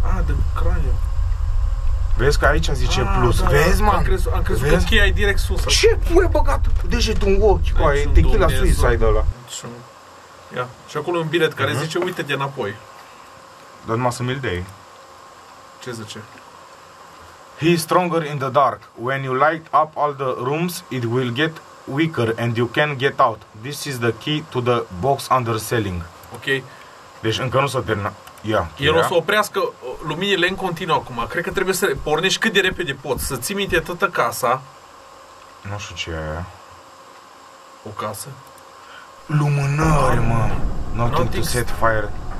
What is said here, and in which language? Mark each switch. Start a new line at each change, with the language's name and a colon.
Romanian: A, din craniu. Vezi că aici zice plus. Da, vezi, mă? Am crezut că cheia e direct sus. Ce pui băgat degetul în ochi, coaie? Tequila suicide ăla. Ia, și acolo un bilet care zice, uite-te înapoi. Dă numai să mi-l dai. Ce zice?
English: He is stronger in the dark. When you light up all the rooms, it will get weaker and you can get out. This is the key to the box underselling.
Romanian: Ok. Deci încă nu s-a terminat. El o să oprească luminile în continuu acum. Cred că trebuie să pornești cât de repede poți. Să ții minte toată casa. Nu știu ce e aia. O casă? Lumânări, mă.
English: Nothing to set fire.